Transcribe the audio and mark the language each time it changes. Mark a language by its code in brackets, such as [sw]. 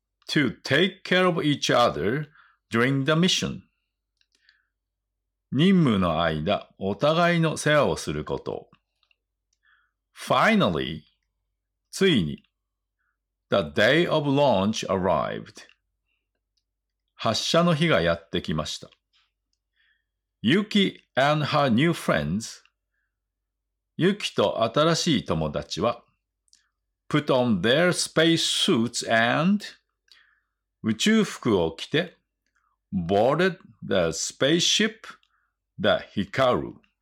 [en] To take care of each other during the mission. [ja] 任務の間、お互いの世話をすること。 [en] Finally, [ja] ついに、 [en] the day of launch arrived. [ja] 発射の日がやってきました。 [en] Yuki and her new friends, [ja] Yuki と新しい友達は、 [en] put on their space suits and [ja] 宇宙服を着て、 [en] boarded the spaceship, the Hikaru.